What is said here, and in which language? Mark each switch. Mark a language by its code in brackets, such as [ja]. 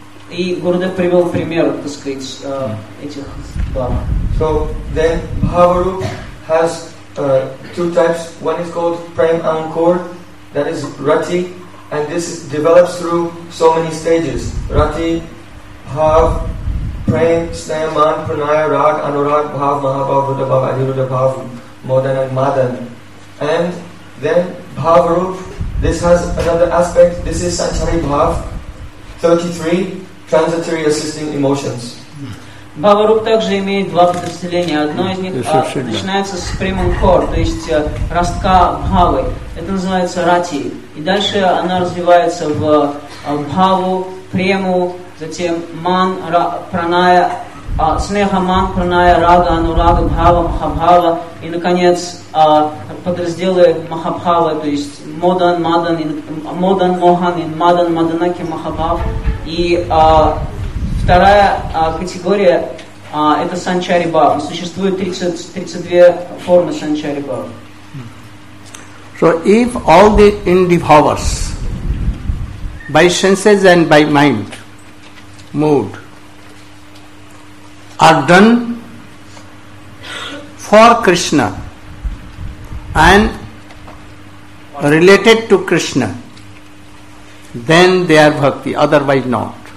[ru] И Гурудев привел пример, так сказать, этих бхав. [en] So then bhavaru has two types. One is called prem ankur, that is rati, and this develops through so many stages. [sa] Rati, bhav, prem, snehman, pranaya, rag, anurag, bhav, mahabhav, rudabhav, adhirudabhav, modan and madan. [en] And then bhavaru, this has another aspect. This is sanchari bhav, 33, transitory assisting emotions. [ru] Бхаваруп также имеет два подразделения. Одно из них начинается с премонкор, то есть ростка бхавы. Это называется рати. И дальше она развивается в бхаву, прему, затем ман, праная, снеха ман, праная, рага, анурага, бхава, махабхава. И, наконец, подразделы махабхавы, то есть модан, мадан, модан, мохан, мадан, маданаки, махабхав. И вторая категория – это санчари-бхав. Существует 32 формы санчари-бхав. [en] So if all the indivhavas, by senses and by mind, mood, are done for Krishna and related to Krishna, then they are bhakti, otherwise not.